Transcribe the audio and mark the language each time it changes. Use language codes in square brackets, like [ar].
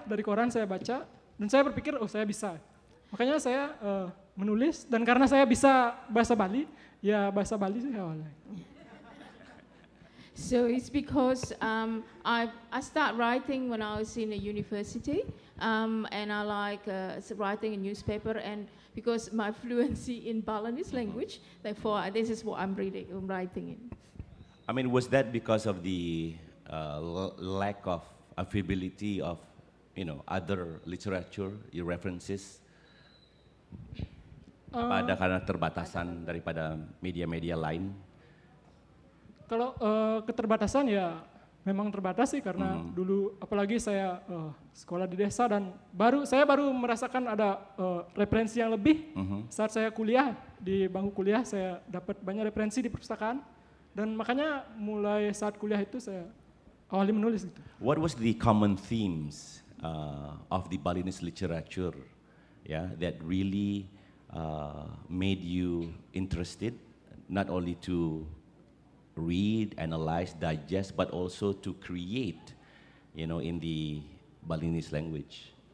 [id] Dari koran saya baca dan saya berpikir, oh saya bisa. Makanya saya menulis dan karena saya bisa bahasa Bali, ya bahasa Bali sih awalnya. [en] So it's because I start writing when I was in a university, and I like writing a newspaper, and because my fluency in Balinese language, therefore this is what I'm reading, I'm writing in. I mean, was that because of the lack of affability of, you know, other literature, your references? [id] Apa ada karena terbatasan daripada media-media lain? Kalau keterbatasan ya memang terbatas sih karena dulu apalagi saya sekolah di desa dan baru merasakan ada referensi yang lebih saat saya kuliah di bangku kuliah saya dapat banyak referensi di perpustakaan dan makanya mulai saat kuliah itu saya awali menulis gitu. [en] What was the common themes of the Balinese literature, yeah, that really made you interested not only to read, analyze, digest, but also to create, you know, in the Balinese language.